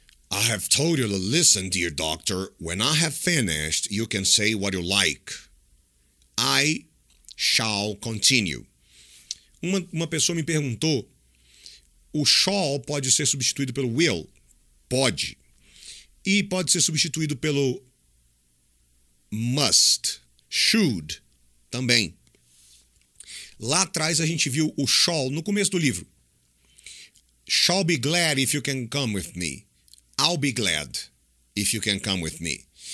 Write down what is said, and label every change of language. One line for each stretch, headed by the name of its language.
English: I have told you to listen, dear doctor. When I have finished, you can say what you like. I shall continue.
Portuguese: Uma pessoa me perguntou, o shall pode ser substituído pelo will? Pode. E pode ser substituído pelo must, should, também. Lá atrás a gente viu o shall no começo do livro.
English: Shall be glad if you can come with me. I'll be glad if you can come with me.